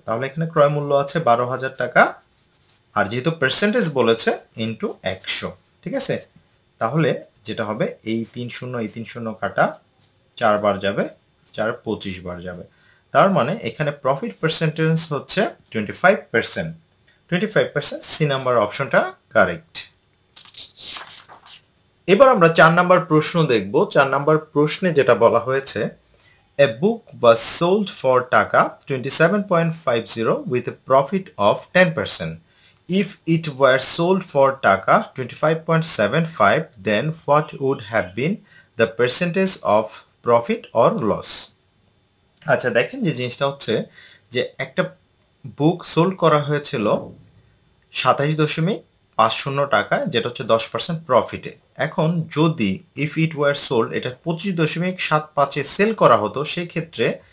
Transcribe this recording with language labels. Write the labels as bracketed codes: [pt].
[bn] তাহলে এখানে ক্রয়মূল্য আছে 12,000 টাকা, আর যেহেতু পার্সেন্টেজ বলেছে ইনটু 100, ঠিক আছে, তাহলে যেটা হবে এই 30 কাটা 4 বার যাবে, 4×25 যাবে, তার মানে এখানে প্রফিট পার্সেন্টেজ হচ্ছে 25%, 25%, সি নাম্বার অপশনটা কারেক্ট। এবার আমরা 4 নম্বর প্রশ্ন দেখব। 4 নম্বর প্রশ্নে যেটা বলা হয়েছে, [en] a book was sold for taka 27.50 with a profit of 10%. If it were sold for taka 25.75, then what would have been the percentage of profit or loss? [bn] আচ্ছা দেখেন যে জিনিসটা হচ্ছে যে একটা বুক সোল্ড করা হয়েছিল 27.50 টাকা যেটা হচ্ছে 10% প্রফিটে এখন যদি [en] if it were sold [bn] এটা 25.75 এ সেল করা হতো সেই ক্ষেত্রে